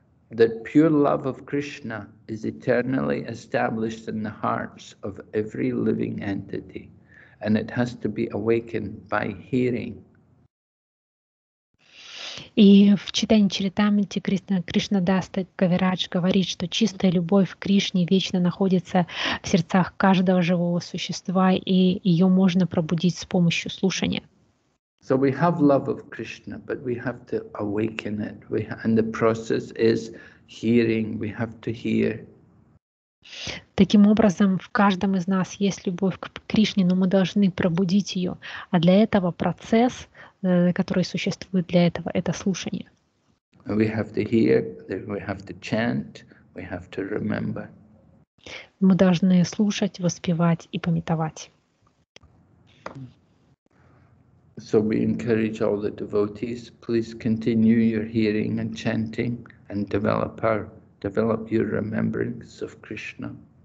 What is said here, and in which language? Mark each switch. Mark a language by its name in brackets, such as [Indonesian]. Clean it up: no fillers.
[English] That pure love of Krishna is eternally established in the hearts of every living entity, and it has to be awakened by hearing. [Russian] И в читании Чаритамриты Кришна Даста Кавирадж говорит, что чистая любовь к Кришне вечно находится в сердцах каждого живого существа, и ее можно пробудить с помощью слушания. [English] So we have love of Krishna, but we have to awaken it. And the process is hearing. We have to hear. [Russian] Таким образом, в каждом из нас есть любовь к Кришне, но мы должны пробудить ее. А для этого процесс, который существует для этого, это слушание. [English] We have to hear, we have to chant, we have to remember. [Russian] Мы должны слушать, воспевать и памятовать. [English] So we encourage all the devotees, please continue your hearing and chanting and develop your remembrance of Krishna.